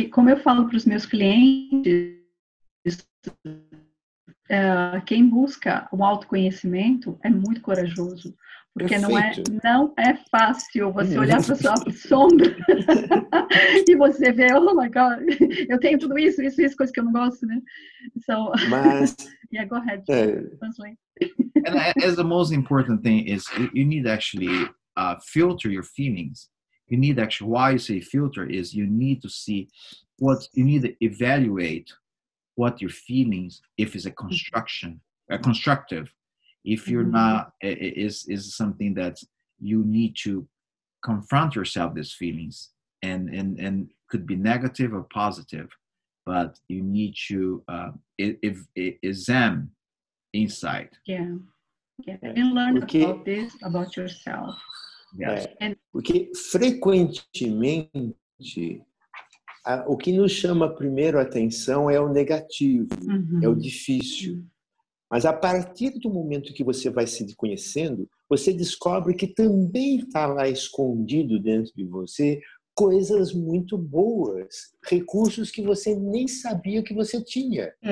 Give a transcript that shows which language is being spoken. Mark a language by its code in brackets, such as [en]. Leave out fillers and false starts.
[pt] Como eu falo para os meus clientes, quem busca o autoconhecimento é muito corajoso, porque não é fácil você olhar para a sua sombra e você ver, [en] oh my God, [pt] eu tenho tudo isso, coisa que eu não gosto, né? [en] So, [pt] mas, [en] yeah, go ahead. And as the most important thing is, you need actually filter your feelings. You need actually, why you say filter is you need to see what, you need to evaluate what your feelings, if it's a construction, a constructive, if you're not, is something that you need to confront yourself, these feelings, and could be negative or positive, but you need to examine inside. Yeah. Yeah. And learn about this, about yourself. Yes. [pt] Porque frequentemente o que nos chama primeiro a atenção é o negativo, é o difícil. Mas a partir do momento que você vai se conhecendo, você descobre que também está lá escondido dentro de você coisas muito boas, recursos que você nem sabia que você tinha.